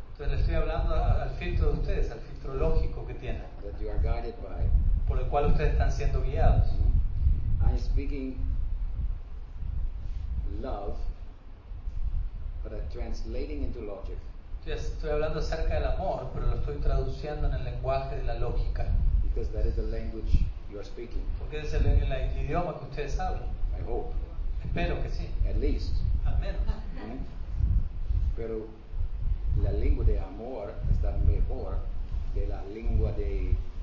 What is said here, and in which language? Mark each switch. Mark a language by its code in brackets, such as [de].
[es] Entonces le estoy hablando al filtro de ustedes, al filtro lógico que tienen. [en] That you are guided by. [es] Por el cual ustedes están siendo guiados. [en] I am speaking love, but I'm translating into logic. [es] Entonces estoy hablando acerca del amor, pero lo estoy traduciendo en el lenguaje de la lógica. [en] Because that is the language. You are speaking. [es] Porque es el idioma que ustedes hablan. [en] I hope. [es] Espero que sí. [en] At least. [es] Al menos. Pero la lengua de amor está mejor que la lengua de